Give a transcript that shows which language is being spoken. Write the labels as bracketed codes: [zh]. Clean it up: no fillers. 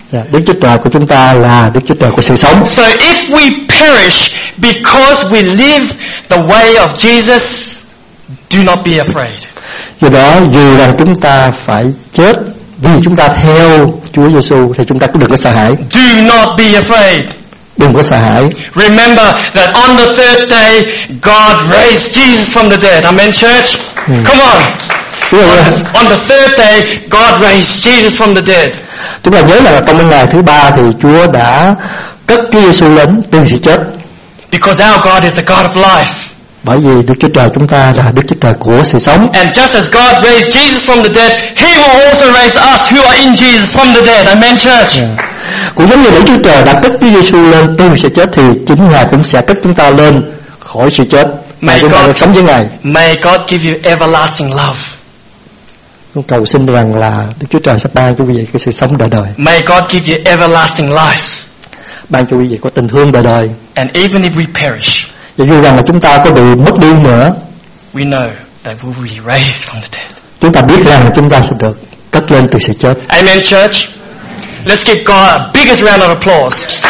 [vi] Đức Chúa Trời của chúng ta là Đức Chúa Trời của sự sống. [en] So if we perish because we live the way of Jesus, do not be afraid. [vi] Do đó, dù là chúng ta phải chết vì chúng ta theo Chúa Giêsu thì chúng ta cũng đừng có sợ hãi. [en] Do not be afraid. [vi] Đừng có sợ hãi. [en] Remember that on the third day God raised Jesus from the dead. Amen, church. Come on. On the third day God raised Jesus from the dead. [vi] Chúng ta nhớ là trong ngày thứ ba thì Chúa đã cất Chúa Giêsu lên từ sự chết. [en] Because our God is the God of life. [vi] Bởi vì Đức Chúa Trời chúng ta là Đức Chúa Trời của sự sống. [en] And just as God raised Jesus from the dead, He will also raise us who are in Jesus from the dead. Amen, church. [vi] Cũng giống như Đức Chúa Trời đã cất Chúa Giêsu lên từ sự chết thì chính Ngài cũng sẽ cất chúng ta lên khỏi sự chết. May chúng ta được sống với Ngài. [en] May God give you everlasting love. [vi] Chúng cầu xin rằng là Đức Chúa Trời sẽ ban cho quý vị cái sự sống đời đời. [en] May God give you everlasting life. [vi] Ban cho quý vị có tình thương đời đời. [en] And even if we perish, [vi] và dù rằng là chúng ta có bị mất đi nữa, [en] we know that we will be raised from the dead. [vi] Chúng ta biết rằng chúng ta sẽ được cất lên từ sự chết. [en] Amen, church. Let's give God a biggest round of applause.